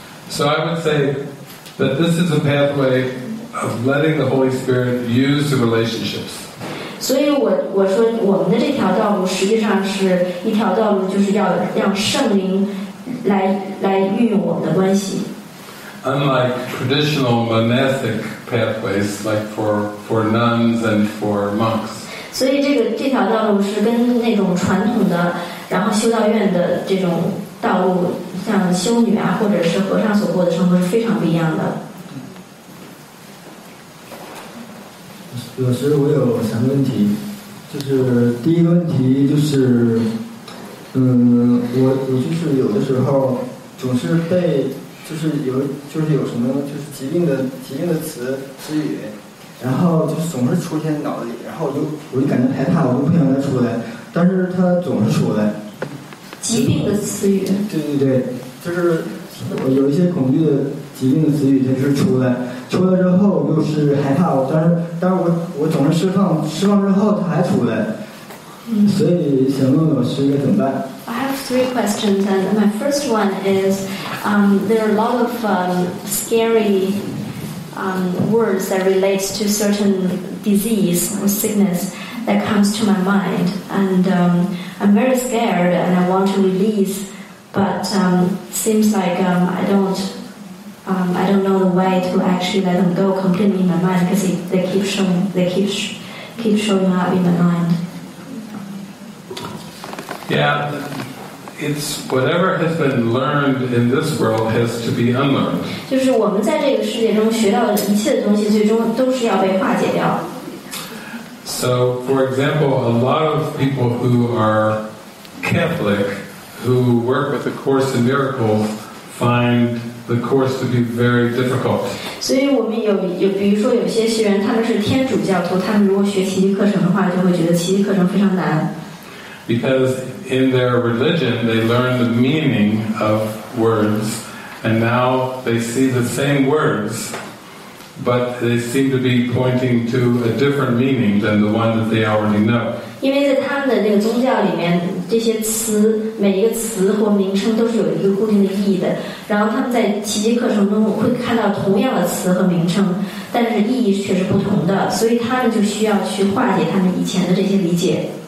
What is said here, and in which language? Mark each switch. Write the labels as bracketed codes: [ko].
[en] So I would say that this is a pathway of letting the Holy Spirit use the relationships. [zh] 所以我说我们的这条道路实际上是一条道路，就是要让圣灵来运用我们的关系。 [en] Unlike traditional monastic pathways, like for nuns and for monks. [zh] 所以这条道路是跟那种传统的然后修道院的这种道路像修女啊或者是和尚所过的生活是非常不一样的。老师我有三个问题，就是第一个问题就是我就是有的时候总是被就是有什么就是疾病的词词语，然后就总是出现脑子里，然后我就感觉害怕，我就不想再出来，但是他总是出来。疾病的词语。对对对，就是我有一些恐惧的疾病的词语，它是出来之后又是害怕，但是我总是释放之后它还出来，所以想问老师该怎么办。 [en] I have three questions, and my first one is, there are a lot of scary. Words that relate to certain disease or sickness that comes to my mind, and I'm very scared and I want to release, but seems like I don't know the way to actually let them go completely in my mind because they keep showing up in my mind. Yeah, it's whatever has been learned in this world has to be unlearned. [zh] 就是我们在这个世界中学到的一切的东西，最终都是要被化解掉。 [en] So, for example, a lot of people who are Catholic, who work with the Course in Miracles, find the Course to be very difficult. [zh] 所以我们有比如说有些学员他们是天主教徒，他们如果学奇迹课程的话，就会觉得奇迹课程非常难。 [en] Because in their religion, they learn the meaning of words, and now they see the same words, but they seem to be pointing to a different meaning than the one that they already know. [zh] 因为在他们的这个宗教里面，这些词每一个词或名称都是有一个固定的意义的。然后他们在奇迹课程中会看到同样的词和名称，但是意义却是不同的。所以他们就需要去化解他们以前的这些理解。